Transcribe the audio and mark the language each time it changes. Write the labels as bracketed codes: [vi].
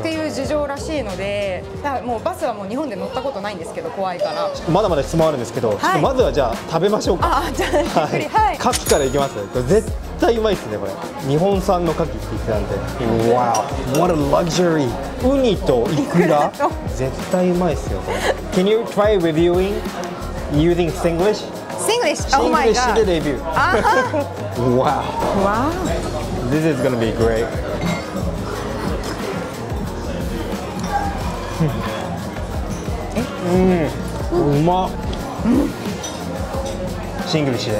[ja] っていう事情らしいので、だからもうバスはもう日本で乗ったことないんですけど怖いから、まだまだ質問あるんですけど、はい、まずはじゃあ食べましょうか。あ、じゃあゆっくり、はい、カキからいきます。絶対うまいっすねこれ、日本産のカキって言ってたんで、わぁ、 [en] What a luxury! [ja] ウニとイクラ絶対うまいっすよこれ。 [en] Can you try reviewing using Singlish? Singlish? Oh my god! [ja] Singlish でレビュー。わぁ、わぁ、 [en] This is gonna be great! [ja] うん、うまっ、うん、シングルシで